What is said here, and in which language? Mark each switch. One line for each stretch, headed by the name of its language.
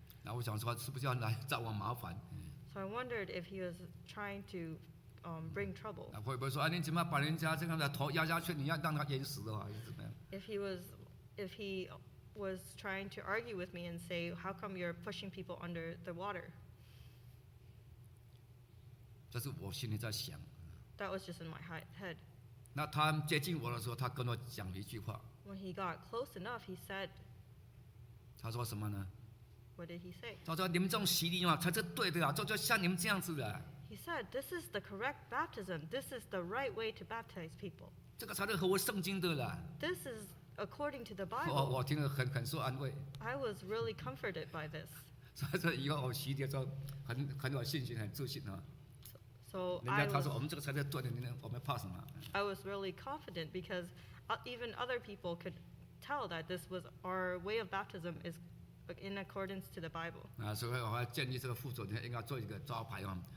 Chinese: 然后我想说，是不是要来找我麻烦？
English: So I wondered if he was trying to bring trouble.
Chinese: 会不会说，哎，你怎么把人家这个头压下去？你要让他淹死的话，还是怎么样？
English: If he was trying to argue with me and say, how come you're pushing people under the water?
Chinese: 这是我心里在想。
English: That was just in my head.
Chinese: 那他接近我的时候，他跟我讲了一句话。
English: When he got close enough, he said.
Chinese: 他说什么呢
English: ？What did he say？
Chinese: 他说：“你们这种洗礼嘛，才是对的啊，就像你们这样子的。”
English: He said, "This is the correct baptism. This is the right way to baptize people."
Chinese: 这个才是合乎圣经的了。
English: This is according to the Bible.
Chinese: 我听了很受安慰。
English: I was really comforted by this.
Chinese: 所以说以后我洗礼的时候很有信心，很自信啊。
English: I was really confident because even other people could tell that this was our way of baptism is in accordance to the Bible.